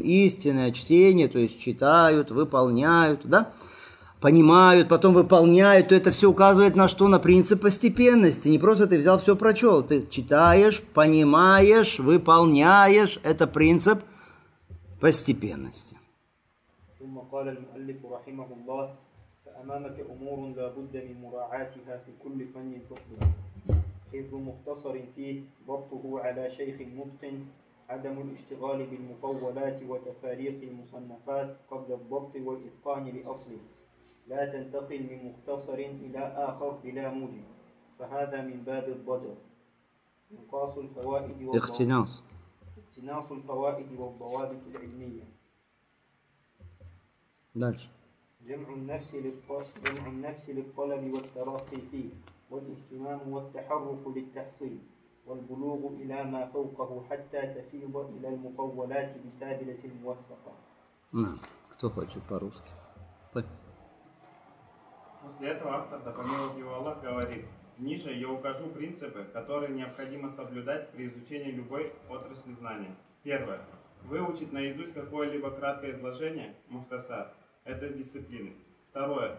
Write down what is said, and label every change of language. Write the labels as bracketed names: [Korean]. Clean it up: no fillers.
[Russian] Истинное чтение, то есть читают, выполняют, да? Понимают, потом выполняют, то это все указывает на что? На принцип постепенности. Не просто ты взял все прочел, ты читаешь, понимаешь, выполняешь. Это принцип постепенности. [Arabic] قال المؤلف رحمه الله فأمامك أمور لا بد من مراعاتها في كل فن تطلب حيث مختصر فيه ضبطه على شيخ متقن عدم الاشتغال بالمطولات وتفاريق المصنفات قبل الضبط والإتقان لأصله، لا تنتقل من مختصر إلى آخر بلا موجب، فهذا من باب الضجر. انقاص الفوائد والضوابط، اقتناص الفوائد والضوابط العلمية. جمع النفس للطلب والترقي فيه، والاهتمام والتحرك للتحصيل، والبلوغ إلى ما فوقه حتى تفيض إلى المطولات بسابلة موثقة. نعم، [Russian] кто хочет по-русски? [Arabic] طيب. [Russian] После этого автор, да помилует его Аллах, говорит: ниже я укажу принципы, которые необходимо соблюдать при изучении любой отрасли знания. Первое. Выучить наизусть какое-либо краткое изложение, мухтасар, этой дисциплины. Второе.